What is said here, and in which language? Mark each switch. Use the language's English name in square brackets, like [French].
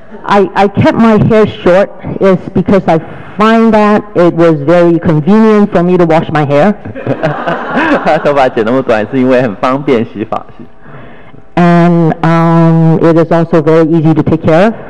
[English] I kept my hair short is because I find that it was very convenient for me to wash my hair. [Chinese] 头发剪那么短是因为很方便洗发。 [English] And it is also very easy to take care of.